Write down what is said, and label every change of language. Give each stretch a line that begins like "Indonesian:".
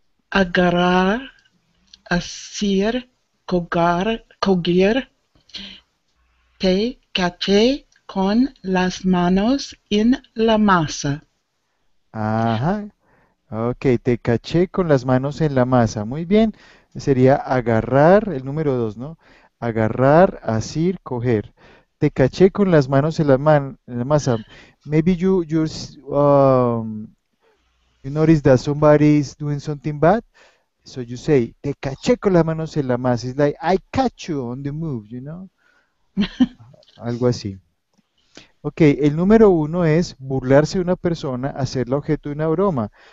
Spanish: Agarrar, hacer, coger, te caché con las manos en la masa. Ajá. Ok, te caché con las manos en la masa. Muy bien. Sería agarrar, el número dos, ¿no? Agarrar, asir, coger. Te caché con las manos en la masa.
English: Maybe you notice that somebody is doing something bad. So you say,
Spanish: te caché con las manos en la masa.
English: It's like, I catch you on the move, you know?
Spanish: Algo así. Ok, el número uno es burlarse de una persona, hacerla objeto de una broma.